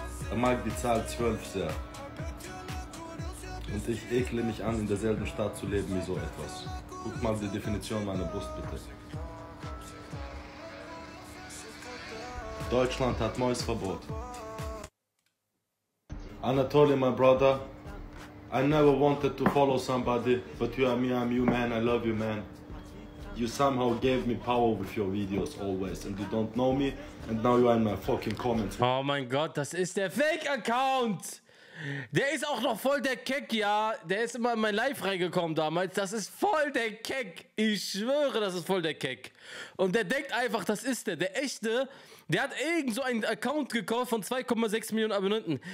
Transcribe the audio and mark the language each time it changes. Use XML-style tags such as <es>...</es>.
<de>Er mag die Zahl 12 sehr. Und ich ekle mich an, in derselben Stadt zu leben wie so etwas. Guck mal die Definition meiner Brust, bitte. Deutschland hat neues Verbot.</de> <en>Anatoly, my brother. I never wanted to follow somebody, but you are me, I'm you, man, I love you, man. You somehow gave me power with your videos always and you don't know me and now you are in my fucking comments.</en> <de>Oh mein Gott, das ist der Fake-Account! Der ist auch noch voll der Keck, ja? Der ist immer in mein Live reingekommen damals. Das ist voll der Keck! Ich schwöre, das ist voll der Keck. Und der denkt einfach, das ist der. Der echte, der hat irgend so einen Account gekauft von 2,6 Millionen Abonnenten.</de>